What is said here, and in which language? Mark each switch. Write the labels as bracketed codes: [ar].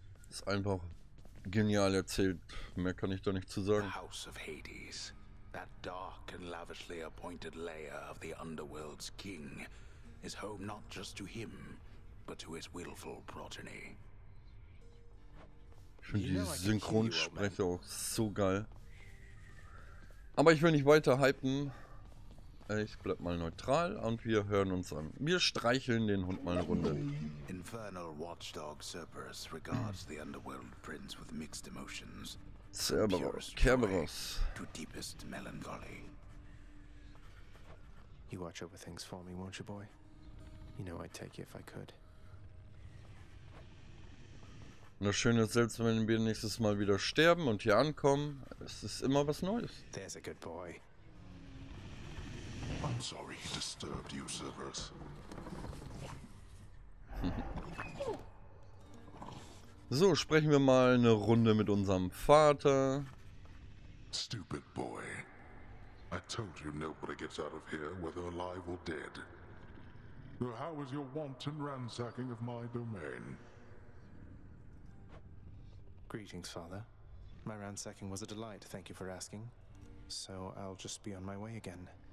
[de] Ist einfach genial erzählt, mehr kann ich da nicht zu sagen. [en] The House of Hades, that dark and lavishly appointed lair of the underworld's king, is home not just to him, but to his willful progeny. [de] Schon die Synchronsprecher auch so geil. Aber ich will nicht weiter hypen. Ich bleib mal neutral und wir hören uns an. Wir streicheln den Hund mal eine Runde. [en] Infernal Watchdog Cerberus regards the underworld prince with mixed emotions. Cerberus. To deepest melancholy. You watch over things for me, won't you, boy? You know I'd take you if I could. [de] Na schön ist selbst, wenn wir nächstes Mal wieder sterben und hier ankommen. Es ist immer was Neues. [en] There's a good boy. I'm sorry he disturbed you, Cerberus. [de] So, sprechen wir mal eine Runde mit unserem Vater. [en] Stupid boy. I told you nobody gets out of here, whether alive or dead. So how was your wanton ransacking of my domain? Greetings, Father. My ransacking was a delight, thank you for asking. So I'll just be on my way again.